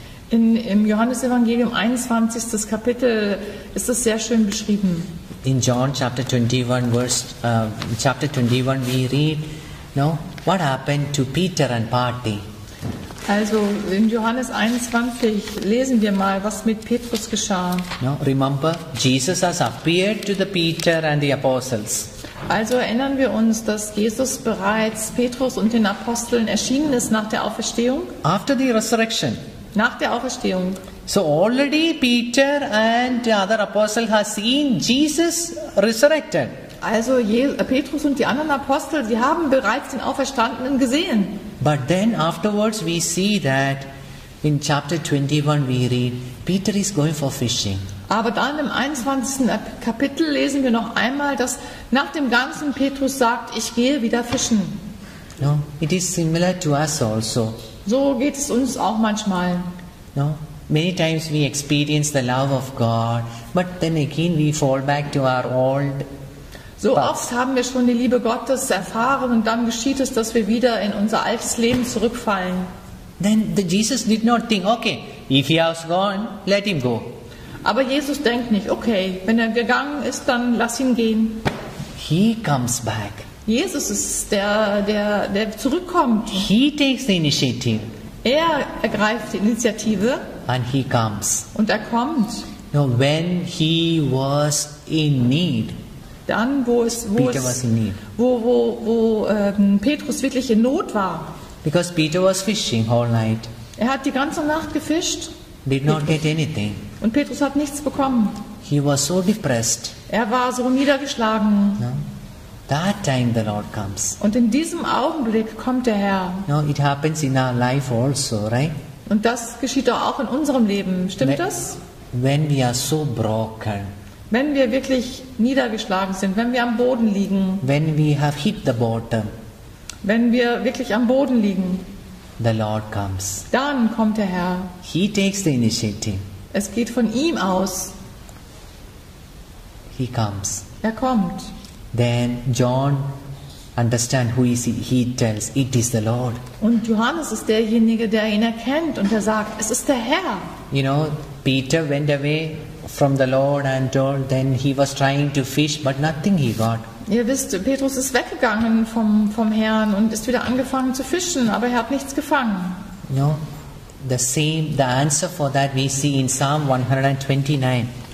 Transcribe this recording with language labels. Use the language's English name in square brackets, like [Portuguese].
[German] Im Johannesevangelium 21, das Kapitel, ist das sehr schön beschrieben. [English] In John chapter 21, we read, no, what happened to Peter and Party? [German] Also in Johannes 21 lesen wir mal, was mit Petrus geschah. [English] No, remember, Jesus has appeared to the Peter and the apostles. [German] Also erinnern wir uns, dass Jesus bereits Petrus und den Aposteln erschienen ist nach der Auferstehung. [English] After the resurrection. [German] Nach der Auferstehung. [English] So already Peter and the other apostle has seen Jesus resurrected. [German] Also Petrus und die anderen Apostel, sie haben bereits den Auferstandenen gesehen. [English] But then afterwards we see that in chapter 21 we read Peter is going for fishing. [German] Aber dann im 21. Kapitel lesen wir noch einmal, dass nach dem ganzen Petrus sagt, ich gehe wieder fischen. [English] No, it is similar to us also. [German] So geht es uns auch manchmal. [English] No, many times we experience the love of God, but then again we fall back to our old. [German] So oft haben wir schon die Liebe Gottes erfahren und dann geschieht es, dass wir wieder in unser altes Leben zurückfallen. [English] Then the Jesus did not think, okay, if he has gone, let him go. [German] Aber Jesus denkt nicht, okay, wenn er gegangen ist, dann lass ihn gehen. [English] He comes back. [German] Jesus ist der zurückkommt. [English] He takes the initiative. [German] Er ergreift die Initiative. [English] And he comes. [German] Und er kommt. [English] Now when he was in need. [German] Dann, Petrus wirklich in Not war. [English] Because Peter was fishing all night. [German] Er hat die ganze Nacht gefischt. [English] Did not get anything. [German] Und Petrus hat nichts bekommen. [English] He was so depressed. [German] Er war so niedergeschlagen. [English] No? That time the Lord comes. [German] Und in diesem Augenblick kommt der Herr. [English] No, it happens in our life also, right? [German] Und das geschieht doch auch in unserem Leben. Stimmt das? [English] When we are so broken. [German] Wenn wir wirklich niedergeschlagen sind, wenn wir am Boden liegen, [English] when we have hit the bottom, [German] wenn wir wirklich am Boden liegen, [English] the Lord comes. [German] Dann kommt der Herr. [English] He takes the initiative. [German] Es geht von ihm aus. [English] He comes. [German] Er kommt. [English] Then John understand who he tells, it is the Lord. [German] Und Johannes ist derjenige, der ihn erkennt und er sagt, es ist der Herr. [English] You know, Peter went away from the Lord and all, then he was trying to fish, but nothing he got. [German] Ihr wisst, Petrus ist weggegangen vom Herrn und ist wieder angefangen zu fischen, aber er hat nichts gefangen. [English] No, the answer for that we see in Psalm 127.